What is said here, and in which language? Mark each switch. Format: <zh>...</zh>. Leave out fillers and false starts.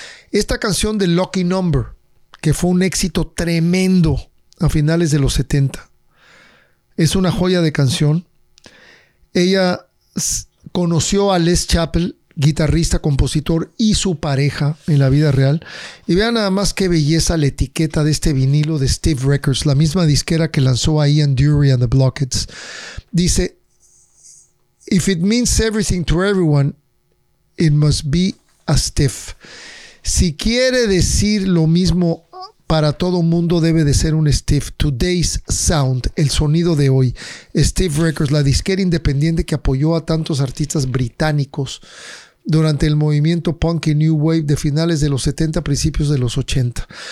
<es>Esta canción de Lucky Number, que fue un éxito tremendo a finales de los 70, es una joya de canción. Ella conoció a Les Chappell, guitarrista, compositor y su pareja en la vida real. Y vean nada más qué belleza la etiqueta de este vinilo de Steve Records, la misma disquera que lanzó a Ian Dury and the Blockheads.</es> <en>Dice: "If it means everything to everyone, it must be a Steve."</en> <es>Si quiere decir lo mismo para todo mundo, debe de ser un Steve.</es> <en>Today's sound,</en> <es>el sonido de hoy. Steve Records, la disquera independiente que apoyó a tantos artistas británicos durante el movimiento punk y new wave de finales de los 70, principios de los 80.</es>